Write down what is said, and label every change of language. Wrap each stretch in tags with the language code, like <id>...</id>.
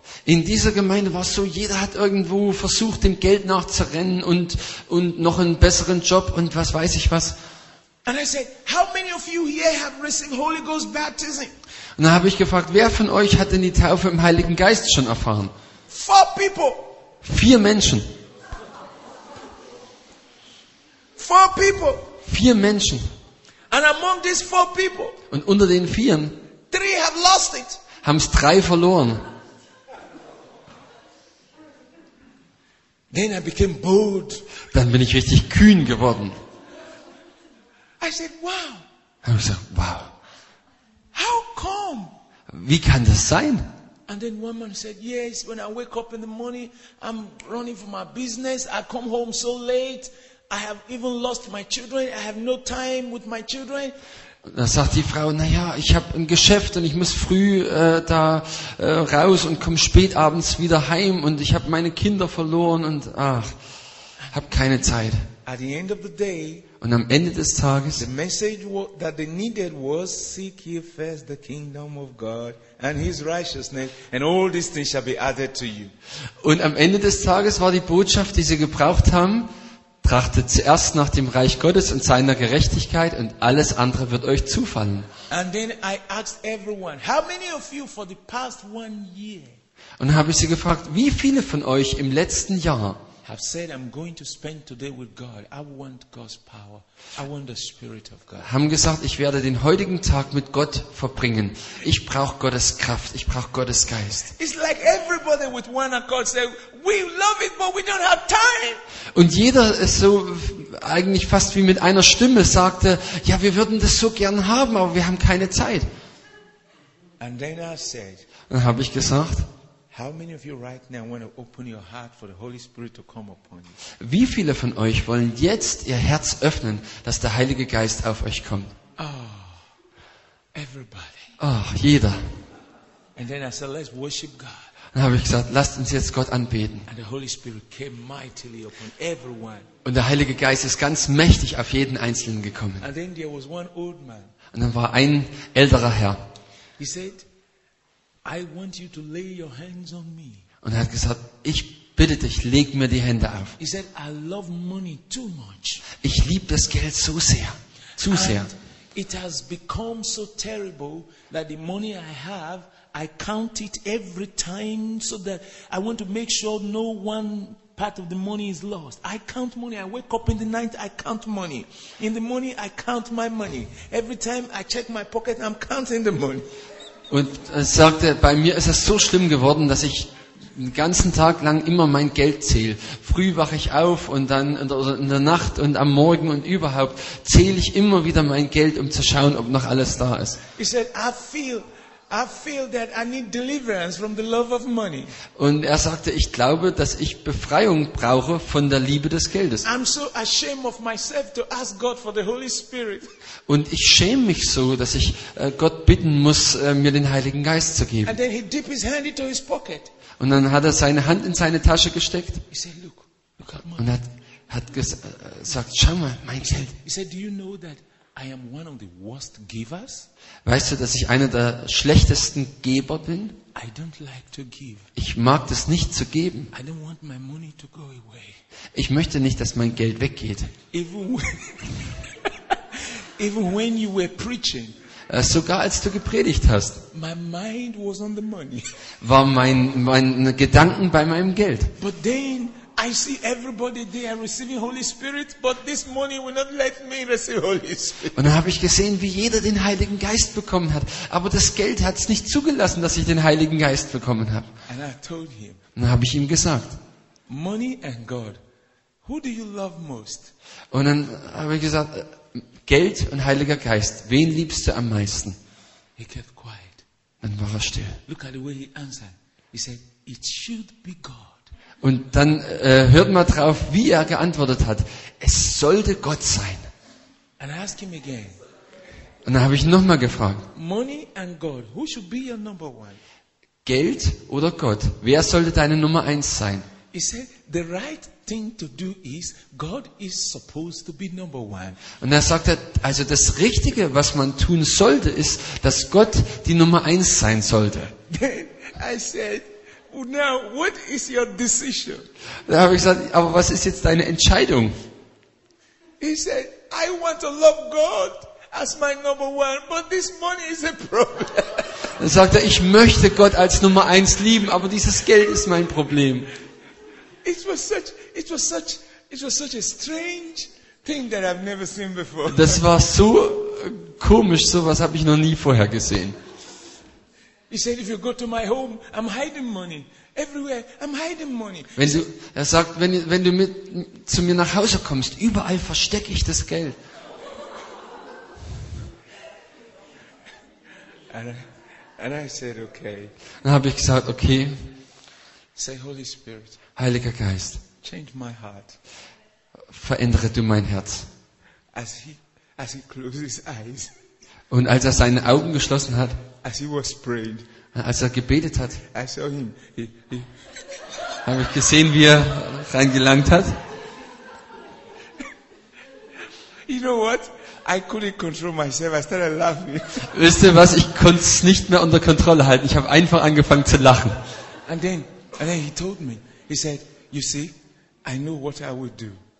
<de>In dieser Gemeinde war es so, jeder hat irgendwo versucht, dem Geld nachzurennen und noch einen besseren Job und was weiß ich was.</de> <en>And I said, how many of you here have received Holy Ghost baptism?</en> <de>Und dann habe ich gefragt, wer von euch hat denn die Taufe im Heiligen Geist schon erfahren?</de> <en>4 people.</en> <de>4 Menschen.</de> <en>4 people.</en> <de>4 Menschen.</de> <en>And among these 4 people.</en> <de>Und unter den 4ern.</de> <en>3 have lost it.</en> <de>Haben es 3 verloren.</de> <en>Then I became bold.</en> <de>Dann bin ich richtig kühn geworden.</de> <en>I said, wow.</en> <de>Habe ich gesagt, wow.</de> <en>How come?</en> <de>Wie kann das sein?</de> <en>And then one man said, yes, when I wake up in the morning, I'm running for my business, I come home so late, I have even lost my children, I have no time with my children.</en> <de>Da sagt die Frau, naja, ich habe ein Geschäft und ich muss früh raus und komme spät abends wieder heim und ich habe meine Kinder verloren und ach, habe keine Zeit.</de> <en>At the end of the day,</en> <de>und am Ende des Tages,</de> <en>the message that they needed was seek ye first the kingdom of God and his righteousness and all these things shall be added to you.</en> <de>Und am Ende des Tages war die Botschaft, die sie gebraucht haben, trachtet zuerst nach dem Reich Gottes und seiner Gerechtigkeit und alles andere wird euch zufallen.</de> <en>And then I asked everyone, how many of you for the past one year?</en> <de>Und habe ich sie gefragt, wie viele von euch im letzten Jahr</de> <en>I've said I'm going to spend today with God. I want God's power. I want the Spirit of God.</en> <de>Haben gesagt, ich werde den heutigen Tag mit Gott verbringen. Ich brauche Gottes Kraft. Ich brauche Gottes Geist.</de> <en>It's like everybody with one accord say, we love it, but we don't have time.</en> <de>Und jeder ist so eigentlich fast wie mit einer Stimme sagte, ja, wir würden das so gern haben, aber wir haben keine Zeit.</de> <en>And then I said.</en> <de>Dann habe ich gesagt.</de> <en>How many of you right now want to open your heart for the Holy Spirit to come upon you?</en> <de>Wie viele von euch wollen jetzt ihr Herz öffnen, dass der Heilige Geist auf euch kommt?</de> <en>Oh, everybody.</en> <de>Oh, jeder.</de> <en>And then I said, let's worship God.</en> <de>Dann habe ich gesagt, lasst uns jetzt Gott anbeten.</de> <en>And the Holy Spirit came mightily upon everyone.</en> <de>Und der Heilige Geist ist ganz mächtig auf jeden Einzelnen gekommen.</de> <en>And then there was one old man.</en> <de>Und dann war ein älterer Herr.</de> <en>He said, I want you to lay your hands on me.</en> <de>Und er hat gesagt, ich bitte dich, leg mir die Hände auf.</de> <en>He said, I love money too much.</en> <de>Ich liebe das Geld so sehr, zu sehr.</de> <en>It has become so terrible that the money I have, I count it every time so that I want to make sure no one part of the money is lost. I count money. I wake up in the night, I count money. In the morning, I count my money. Every time I check my pocket, I'm counting the money.</en> <de>Und er sagte, bei mir ist es so schlimm geworden, dass ich den ganzen Tag lang immer mein Geld zähle. Früh wache ich auf und dann in der Nacht und am Morgen und überhaupt zähle ich immer wieder mein Geld, um zu schauen, ob noch alles da ist.</de> <en>He said, I feel that I need deliverance from the love of money.</en> <de>Und er sagte, ich glaube, dass ich Befreiung brauche von der Liebe des Geldes.</de> <en>I'm so ashamed of myself to ask God for the Holy Spirit.</en> <de>Und ich schäme mich so, dass ich Gott bitten muss, mir den Heiligen Geist zu geben.</de> <en>And then he dipped his hand into his pocket.</en> <de>Und dann hat er seine Hand in seine Tasche gesteckt.</de> <en>He said, look, look at my.</en> <de>Und hat gesagt, schau mal, mein Geld.</de> <en>He said, do you know that I am one of the worst givers?</en> <de>Weißt du, dass ich einer der schlechtesten Geber bin?</de> <en>I don't like to give.</en> <de>Ich mag das nicht zu geben.</de> <en>I don't want my money to go away.</en> <de>Ich möchte nicht, dass mein Geld weggeht.</de> <en>Even when you were preaching.</en> <de>Sogar als du gepredigt hast.</de> <en>My mind was on the money.</en> <de>War mein Gedanken bei meinem Geld.</de> <en>But then I see everybody there receiving Holy Spirit, but this money will not let me receive Holy Spirit.</en> <de>Und dann habe ich gesehen, wie jeder den Heiligen Geist bekommen hat, aber das Geld hat es nicht zugelassen, dass ich den Heiligen Geist bekommen habe.</de> <en>And I told him.</en> <de>Und dann habe ich ihm gesagt,</de> <en>Money and God, who do you love most?</en> <de>Und dann habe ich gesagt, Geld und Heiliger Geist, wen liebst du am meisten?</de> <en>He kept quiet.</en> <de>Dann war er still.</de> <en>Look at the way he answered. He said, it should be God.</en> <de>Und dann hört mal drauf, wie er geantwortet hat. Es sollte Gott sein.</de> <en>And ask him again.</en> <de>Und dann habe ich nochmal gefragt.</de> <en>Money and God, who should be your number one?</en> <de>G- Geld oder Gott? Wer sollte deine Nummer eins sein?</de> <en>He said, the right thing to do is God is supposed to be number one.</en> <de>Und er sagte, also das Richtige, was man tun sollte, ist, dass Gott die Nummer eins sein sollte.</de> <en>Then I said, now what is your decision?</en> <de>Da habe ich gesagt, aber was ist jetzt deine Entscheidung?</de> <en>He said, I want to love God as my number one, but this money is a problem.</en> <de>Dann sagt er, ich möchte Gott als Nummer eins lieben, aber dieses Geld ist mein Problem.</de> <en>It was such a strange thing that I've never seen before.</en> <de>Das war so komisch, sowas habe ich noch nie vorher gesehen.</de> <en>He said, if you go to my home, I'm hiding money. Everywhere, I'm hiding money.</en> <de>Wenn du, er sagt, wenn du mit zu mir nach Hause kommst, überall verstecke ich das Geld.</de> <en>And I said, okay.</en> <de>Dann habe ich gesagt, okay.</de> <en>Say, Holy Spirit,</en> <de>Heiliger Geist,</de> <en>change my heart.</en> <de>Verändere du mein Herz.</de> <en>As he closed his eyes.</en> <de>Und als er seine Augen geschlossen hat,</de> <en>as he was praying,</en> <de>als er gebetet hat,</de> <en>I saw him.</en> <de>Habe ich gesehen, wie er reingelangt hat.</de> <en>You know what? I couldn't control myself. I started laughing.</en> <de>Wisst ihr was? Ich konnte es nicht mehr unter Kontrolle halten. Ich habe einfach angefangen zu lachen.</de> <en>And then he told me. He said, "You see, I know what I will do."</en>